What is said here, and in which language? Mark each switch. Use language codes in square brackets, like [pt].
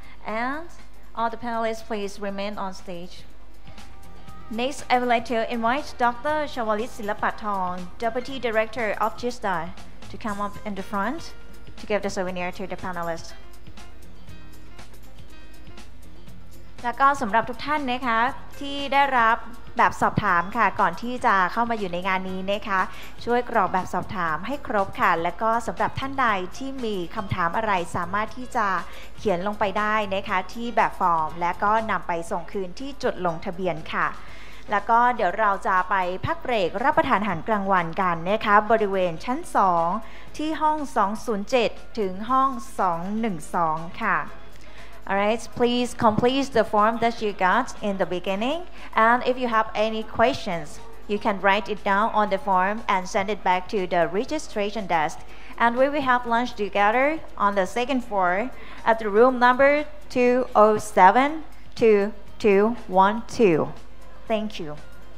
[en] And all the panelists, please remain on stage. Next, I would like to invite Dr. Shawalit Silapathong, Deputy Director of JISTA, to come up in the front to give the souvenir to the panelists. [th] แล้วก็สำหรับทุกท่านนะคะที่ได้รับแบบสอบถามค่ะก่อนที่จะเข้ามาอยู่ในงานนี้นะคะช่วยกรอกแบบสอบถามให้ครบค่ะแล้วก็สำหรับท่านใดที่มีคำถามอะไรสามารถที่จะเขียนลงไปได้นะคะที่แบบฟอร์มแล้วก็นำไปส่งคืนที่จุดลงทะเบียนค่ะ แล้วก็เดี๋ยวเราจะไปพักเบรกรับประทานอาหารกลางวันกันนะคะบริเวณชั้น2ที่ห้อง207ถึงห้อง212ค่ะ [en] Alright, please complete the form that you got in the beginning. And if you have any questions, you can write it down on the form and send it back to the registration desk. And we will have lunch together on the second floor at the room number 207-2212. Thank you.